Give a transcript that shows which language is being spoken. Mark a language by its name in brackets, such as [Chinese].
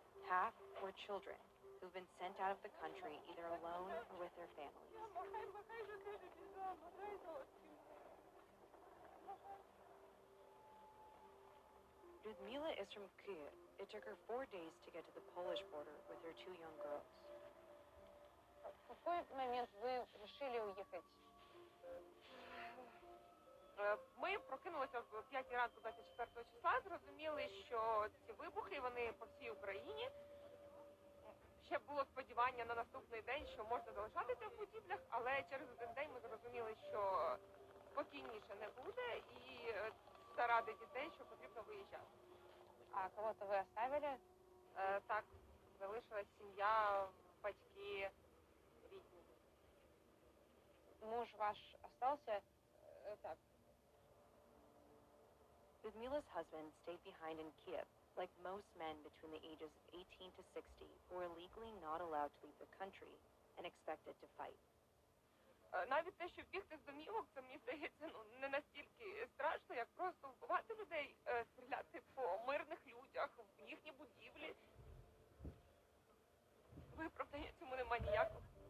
[English] Half were children who've been sent out of the country either alone or with their families. Людмила is from Kyiv. It took her 4 days to get to the Polish border with her two young girls. [Russian] В какой момент вы решили уехать? [Ukrainian] Ми прокинулися в 5 ранку 24 числа, зрозуміли, що ці вибухи, вони по всій Україні. ще було сподівання на наступний день, що можна залишатися в будівлях, але через один день ми зрозуміли, що спокійніше не буде і заради дітей, що потрібно виїжджати. [Russian] А кого-то ви оставили? [Ukrainian] Так, залишилась сім'я, батьки, рідні. [Russian] Муж ваш остався? [Ukrainian] Так. [English] Людмила's husband stayed behind in Kiev, like most men between the ages of 18 to 60 who are legally not allowed to leave the country and expected to fight. [Ukrainian] Навіть те, що бігти з домівок, це мені здається, ну, не настільки страшно, як просто вбивати людей, стріляти по мирних людях, в їхні будівлі. Виправдання цьому нема ніякого.